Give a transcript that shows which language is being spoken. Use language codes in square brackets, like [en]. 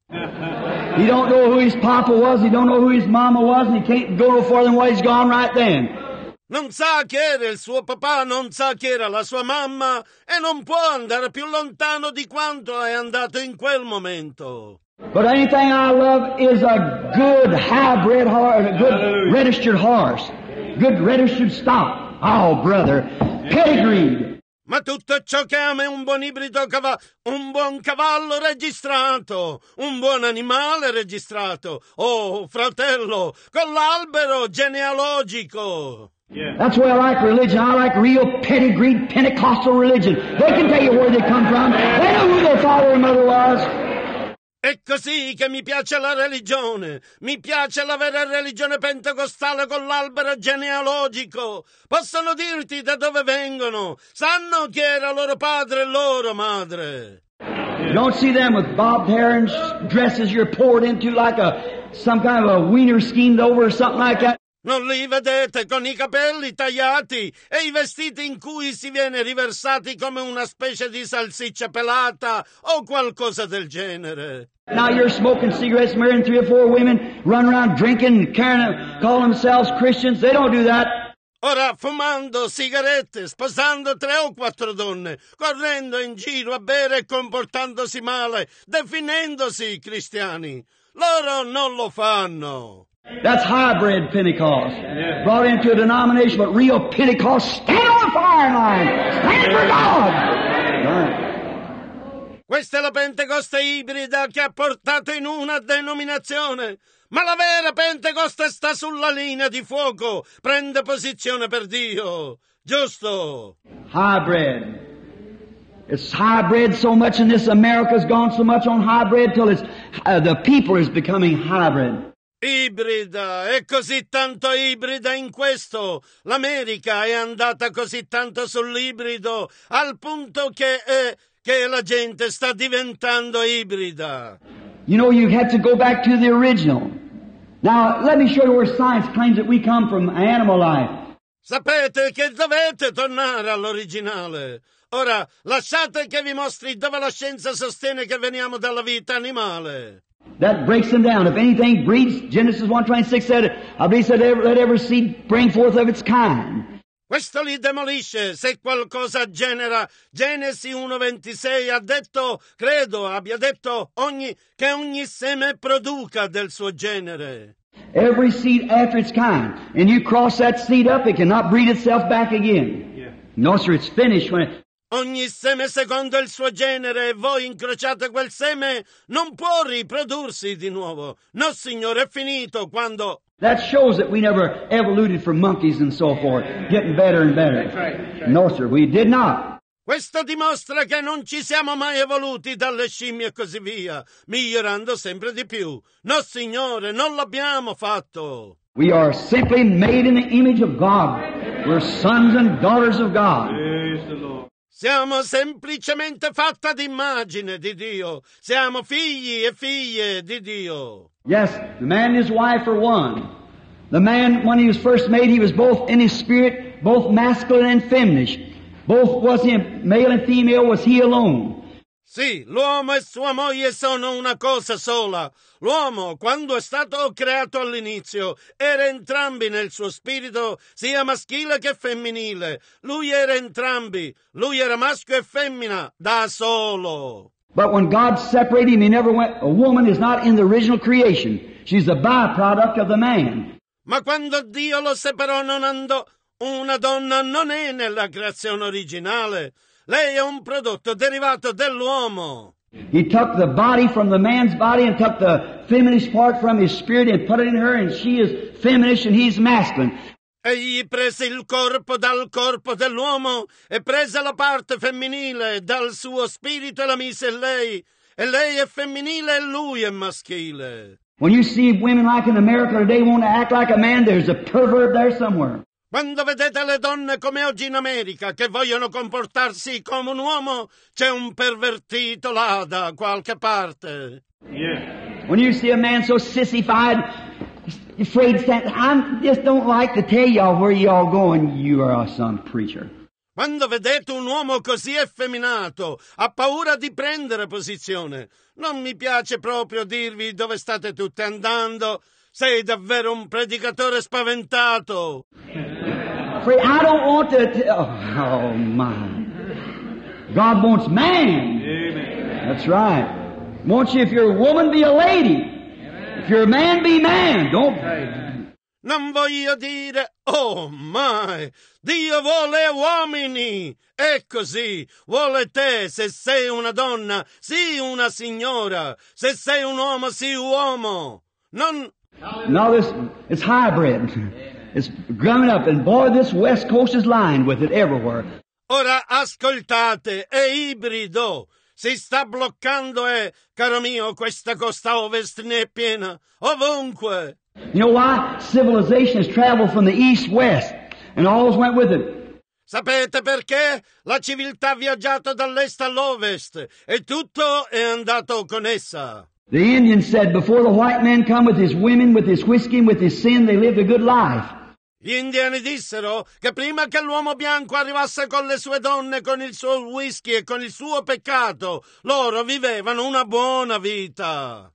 [en] He don't know who his papa was, he don't know who his mama was, and he can't go no further than where he's gone right then. [it] Non sa chi era il suo papà, non sa chi era la sua mamma, e non può andare più lontano di quanto è andato in quel momento. [en] But anything I love is a good hybrid horse, a good registered horse. Good registered stock. Oh, brother. Pedigree. [it] Ma tutto ciò che amo è un buon ibrido cavallo, un buon cavallo registrato, un buon animale registrato. Oh, fratello, con l'albero genealogico. [en] Yeah. That's why I like religion. I like real pedigreed Pentecostal religion. They can tell you where they come from. They know who their father and mother was. [it] È così che mi piace la religione. Mi piace la vera religione pentecostale con l'albero genealogico. Possono dirti da dove vengono. Sanno chi era loro padre e loro madre. [en] Don't see them with bobbed hair and dresses you're poured into like a some kind of a wiener schemed over or something like that. [it] Non li vedete con i capelli tagliati e i vestiti in cui si viene riversati come una specie di salsiccia pelata o qualcosa del genere. [en] Now you're smoking cigarettes, marrying three or four women, running around drinking, carrying them, call themselves Christians. They don't do that. [it] Ora, fumando sigarette, sposando tre o quattro donne, correndo in giro a bere e comportandosi male, definendosi cristiani, loro non lo fanno. [en] That's hybrid Pentecost. Yeah. Brought into a denomination, but real Pentecost, stand on the fire line! Stand for God! [it] Questa è la Pentecoste ibrida che ha portato in una denominazione. Ma la vera Pentecoste sta sulla linea di fuoco. Prende posizione per Dio. Giusto? [en] Hybrid. It's hybrid so much in this America's gone so much on hybrid till it's, the people is becoming hybrid. [it] Ibrida, è così tanto ibrida in questo. L'America è andata così tanto sull'ibrido al punto che è... che la gente sta diventando ibrida. [en] You know, you have to go back to the original. Now, let me show you where science claims that we come from animal life. [it] Sapete che dovete tornare all'originale. Ora, lasciate che vi mostri dove la scienza sostiene che veniamo dalla vita animale. [en] That breaks them down. If anything breeds, Genesis 1:26 said, I believe said, let every seed bring forth of its kind. [it] Questo li demolisce, se qualcosa genera. Genesi 1:26 ha detto, credo abbia detto, che ogni seme produca del suo genere. [en] Every seed after its kind. And you cross that seed up, it cannot breed itself back again. Yeah. No, sir, it's finished when... [it] Ogni seme secondo il suo genere, e voi incrociate quel seme, non può riprodursi di nuovo. No, signore, è finito quando... [en] That shows that we never evoluted from monkeys and so forth, getting better and better. That's right. No, sir, we did not. [it] Questo dimostra che non ci siamo mai evoluti dalle scimmie e così via, migliorando sempre di più. No, signore, non l'abbiamo fatto. [en] We are simply made in the image of God. We're sons and daughters of God. Praise the Lord. [it] Siamo semplicemente fatta d'immagine di Dio. Siamo figli e figlie di Dio. [en] Yes, the man and his wife are one. The man, when he was first made, he was both in his spirit, both masculine and feminine. Both was him, male and female, was he alone. [it] Sì, l'uomo e sua moglie sono una cosa sola. L'uomo, quando è stato creato all'inizio, era entrambi nel suo spirito, sia maschile che femminile. Lui era entrambi. Lui era maschio e femmina, da solo. [en] But when God separated him, he never went... A woman is not in the original creation. She's a byproduct of the man. [it] Ma quando Dio lo separò, non andò... Una donna non è nella creazione originale. Lei è un prodotto derivato dell'uomo. [en] He took the body from the man's body and took the feminine part from his spirit and put it in her, and she is feminine and he's masculine. [it] Egli prese il corpo dal corpo dell'uomo e prese la parte femminile dal suo spirito e la mise in lei. E lei è femminile e lui è maschile. [en] When you see women like in America today want to act like a man, there's a pervert there somewhere. [it] Quando vedete le donne come oggi in America che vogliono comportarsi come un uomo, c'è un pervertito là da qualche parte. [en] Yeah. When you see a man so sissified, afraid, stand, I just don't like to tell y'all where y'all going, you are some preacher. [it] Quando vedete un uomo così effeminato, ha paura di prendere posizione. Non mi piace proprio dirvi dove state tutte andando. Sei davvero un predicatore spaventato. [en] I don't want to tell... Oh, my. God wants man. Amen. That's right. Wants you, if you're a woman, be a lady. Amen. If you're a man, be man. Don't... [it] Non voglio dire... [en] Oh, my. [it] Dio vuole uomini. È così. Vuole te. Se sei una donna, sii una signora. Se sei un uomo, sii uomo. Non... [en] No, this it's hybrid. It's growing up, and boy, this West Coast is lined with it everywhere. [it] Ora ascoltate, è ibrido. si sta bloccando e, caro mio, questa costa ovest ne è piena, ovunque. [en] You know why? Civilization has traveled from the east-west, and all went with it. [it] Sapete perché? La civiltà ha viaggiato dall'est all'ovest, e tutto è andato con essa. [en] The Indian said, before the white man come with his women, with his whiskey, with his sin, they lived a good life. [it] Gli indiani dissero che prima che l'uomo bianco arrivasse con le sue donne, con il suo whisky e con il suo peccato, loro vivevano una buona vita.